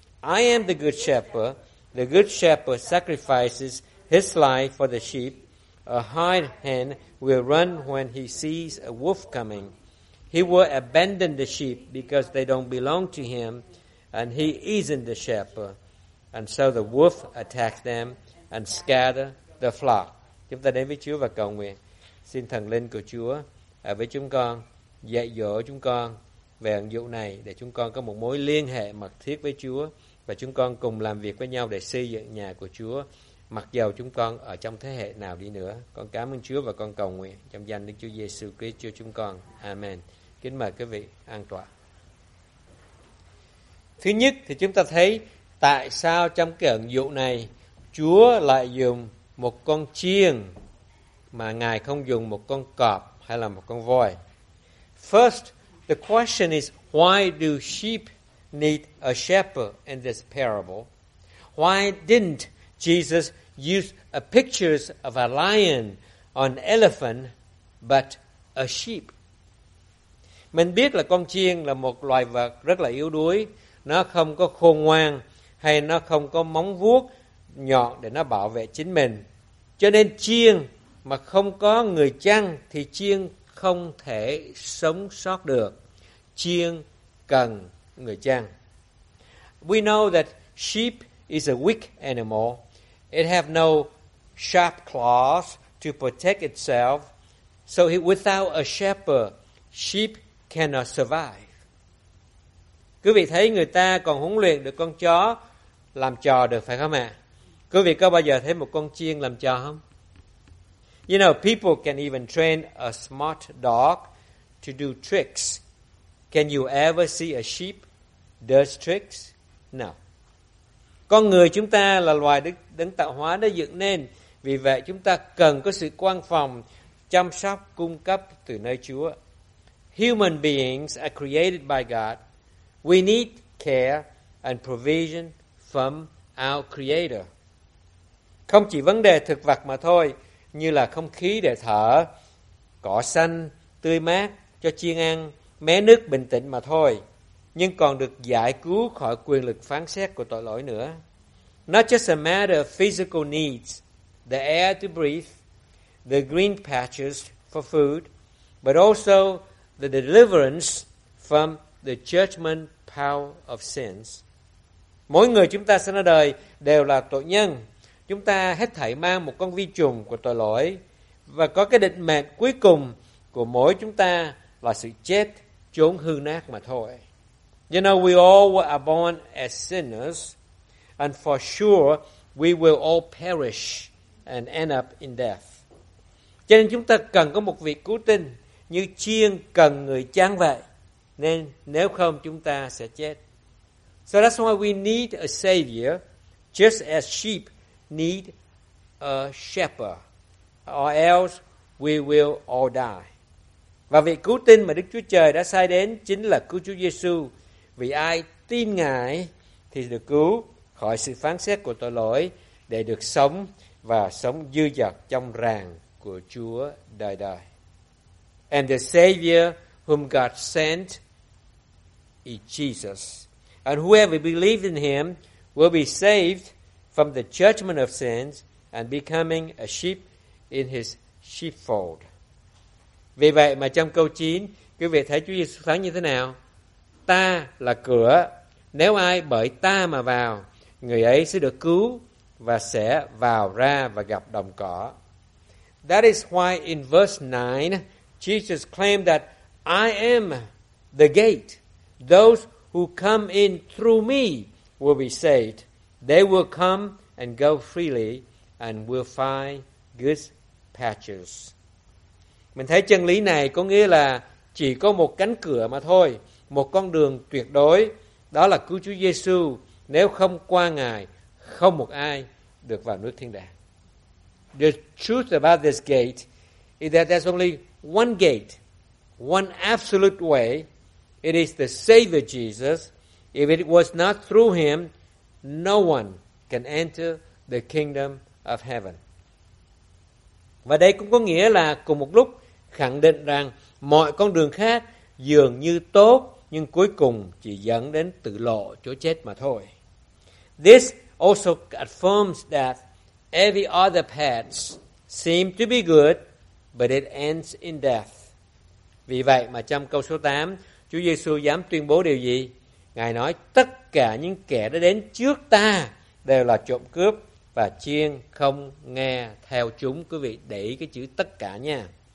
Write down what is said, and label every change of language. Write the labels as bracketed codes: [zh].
[en] I am the good shepherd. The good shepherd sacrifices his life for the sheep. A hired hand will run when he sees a wolf coming. He will abandon the sheep because they don't belong to him, and he isn't the shepherd. And so the wolf attacks them and scatter the flock. [vi] Chúng ta đến với Chúa và cầu nguyện. Xin thần linh của Chúa ở với chúng con, dạy dỗ chúng con về ẩn dụ này để chúng con có một mối liên hệ mật thiết với Chúa và chúng con cùng làm việc với nhau để xây dựng nhà của Chúa, mặc dầu chúng con ở trong thế hệ nào đi nữa. Con cảm ơn Chúa và con cầu nguyện trong danh Đức Chúa Giêsu Christ cho chúng con. Amen. Kính mời quý vị an tọa. Thứ nhất thì chúng ta thấy tại sao trong cái ẩn dụ này Chúa lại dùng một con chiên mà Ngài không dùng một con cọp hay là một con voi. [en] First, the question is, why do sheep need a shepherd in this parable? Why didn't Jesus use a pictures of a lion or an elephant, but a sheep? [vi] Mình biết là con chiên là một loài vật rất là yếu đuối, nó không có khôn ngoan hay nó không có móng vuốt nhọn để nó bảo vệ chính mình. Cho nên chiên mà không có người chăn thì chiên không thể sống sót được. Chiên cần người chăn. [en] We know that sheep is a weak animal. It have no sharp claws to protect itself. So without a shepherd, sheep cannot survive. [vi] Quý vị thấy người ta còn huấn luyện được con chó làm trò được phải không ạ? Quý vị có bao giờ thấy một con chiên làm trò không? [en] You know, people can even train a smart dog to do tricks. Can you ever see a sheep does tricks? No. [vi] Con người chúng ta là loài đấng tạo hóa đã dựng nên. Vì vậy chúng ta cần có sự quan phòng, chăm sóc, cung cấp từ nơi Chúa. [en] Human beings are created by God. We need care and provision from our Creator. [vi] Không chỉ vấn đề thực vật mà thôi, như là không khí để thở, cỏ xanh, tươi mát cho chiên ăn, mé nước bình tĩnh mà thôi, nhưng còn được giải cứu khỏi quyền lực phán xét của tội lỗi nữa. [en] Not just a matter of physical needs, the air to breathe, the green patches for food, but also the deliverance from the judgment power of sins. [vi] Mỗi người chúng ta sinh ra đời đều là tội nhân. Chúng ta hết thảy mang một con vi trùng của tội lỗi, và có cái định mệnh cuối cùng của mỗi chúng ta là sự chết, chốn hư nát mà thôi. [en] You know, we all were born as sinners, and for sure we will all perish and end up in death. [vi] Cho nên chúng ta cần có một vị cứu tinh như chiên cần người chăn vậy, nên nếu không chúng ta sẽ chết. [en] So that's why we need a savior, just as sheep need a shepherd, or else we will all die. [vi] Và vị cứu tinh mà Đức Chúa Trời đã sai đến chính là cứu Chúa Giêsu. Vì ai tin Ngài thì được cứu khỏi sự phán xét của tội lỗi, để được sống và sống dư dật trong ràng của Chúa đời đời. [en] And the Savior whom God sent is Jesus. And whoever believes in Him will be saved from the judgment of sins and becoming a sheep in His sheepfold. [vi] Vì vậy mà trong câu 9, quý vị thấy Chúa Giêsu phán như thế nào? Ta là cửa, nếu ai bởi ta mà vào, người ấy sẽ được cứu và sẽ vào ra và gặp đồng cỏ. [en] That is why in verse 9, Jesus claimed that I am the gate. Those who come in through me will be saved. They will come and go freely and will find good pastures. [vi] Mình thấy chân lý này có nghĩa là chỉ có một cánh cửa mà thôi, một con đường tuyệt đối, đó là cứu Chúa Giêsu. Nếu không qua Ngài, không một ai được vào nước thiên đàng. [en] The truth about this gate is that there's only one gate, one absolute way. It is the Savior Jesus. If it was not through Him, no one can enter the kingdom of heaven. [vi] Và đây cũng có nghĩa là cùng một lúc khẳng định rằng mọi con đường khác dường như tốt, nhưng cuối cùng chỉ dẫn đến tự lộ chỗ chết mà thôi. [en] This also affirms that every other path seems to be good, but it ends in death. [vi] Vì vậy mà trong câu số 8, Chúa Giêsu dám tuyên bố điều gì? Ngài nói tất cả những kẻ đã đến trước ta đều là trộm cướp và chiên không nghe theo chúng. Quý vị để ý cái chữ tất cả nha.